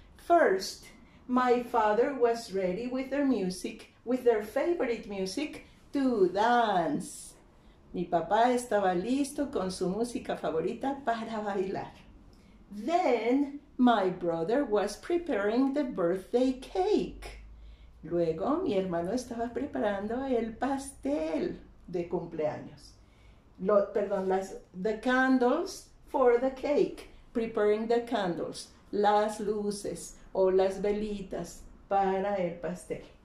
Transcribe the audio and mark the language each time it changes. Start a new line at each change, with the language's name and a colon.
English: First, my father was ready with their music, with their favorite music, to dance.
Spanish: Mi papá estaba listo con su música favorita para bailar.
English: Then, my brother was preparing the birthday cake.
Spanish: Luego, mi hermano estaba preparando el pastel de cumpleaños.
English: The candles for the cake. Preparing the candles.
Spanish: Las luces o las velitas para el pastel.